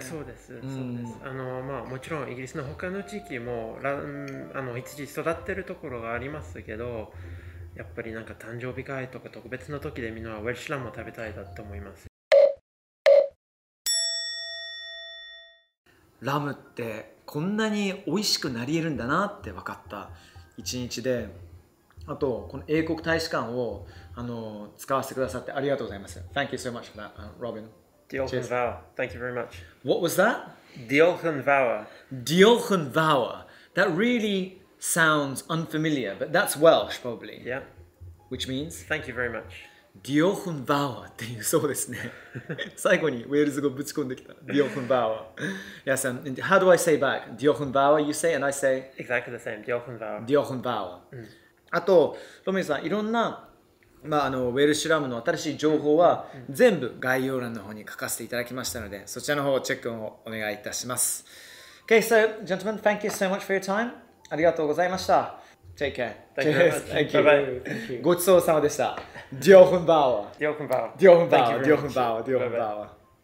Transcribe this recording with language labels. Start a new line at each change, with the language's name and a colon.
Japanese: そうです、そうです、うん、まあ、もちろんイギリスの他の地域も羊育ってるところがありますけど、やっぱりなんか誕生日会とか特別の時でみんなはウェルシュラムを食べたいだと思います。ラムってこんなに美味しくなりえるんだなって分かった一日で、あとこの英国大使館を使わせてくださってありがとうございます。
English: Thank you so much for that, Robin.
Welsh: Diolchenvawr.
English: Thank you very much. What was that?
Welsh: Diolchenvawr. Diolchenvawr.
English: That really sounds unfamiliar, but that's Welsh probably. Yeah. Which means? Thank you very much.
Welsh: Diolchenvawr
Japanese: っていう、そうですね。最後にウェールズ語ぶち込んできた。
Welsh: Diolchenvawr.
English: Yes, and how do I say back?
Welsh: Diolchenvawr
English: you say and I say? Exactly the same.
Welsh: Diolchenvawr. Diolchenvawr.、
Japanese: Mm. あと、ロミンさん、いろんなまあ、ウェルシュラムの新しい情報は全部概要欄の方に書かせていただきましたので、そちらの方をチェックをお願いいたします。
English: Okay, so gentlemen, thank you so much for your time.
Japanese: ありがとうございました。
English: Take care. Thank you very much. Thank you. Bye-bye. Thank you.
Japanese: ごちそうさまでした。
Welsh: ディオフンバオ。ディオフンバオ。ディオフンバオ。ディオフンバオ。ディオフンバオ。